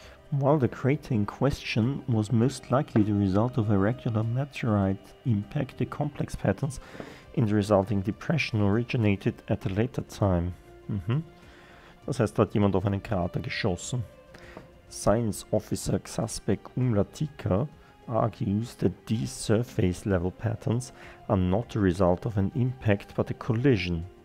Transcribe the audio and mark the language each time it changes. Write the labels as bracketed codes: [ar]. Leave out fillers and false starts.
[en] While the crater in question was most likely the result of a regular meteorite impact, the complex patterns in the resulting depression originated at a later time. Mhm. [de] Das heißt, da hat jemand auf einen Krater geschossen. [en] Science Officer Xaspec Umlatika argues that these surface level patterns are not the result of an impact but a collision.